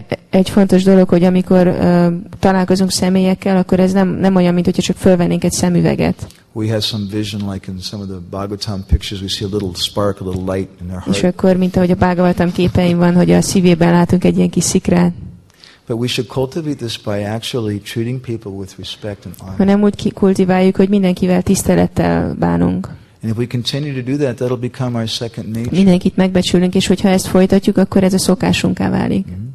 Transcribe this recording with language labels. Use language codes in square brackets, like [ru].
[hu] Egy fontos dolog, hogy amikor találkozunk személyekkel, akkor ez nem olyan, mint hogyha csak fölvennénk egy szemüveget. [en] We have some vision, like in some of the Bhagavatam pictures, we see a little spark, a little light in their heart. [hu] És akkor, mint ahogy a Bhagavatam képein van, hogy a szívében látunk egy ilyen kis szikrát. [en] But we should cultivate this by actually treating people with respect and honor. [hu] Hanem úgy kultiváljuk, hogy mindenkivel tisztelettel bánunk. [en] And if we continue to do that, that'll become our second nature. [hu] Mindenkit megbecsülünk, és hogyha ezt folytatjuk, akkor ez a szokásunká válik.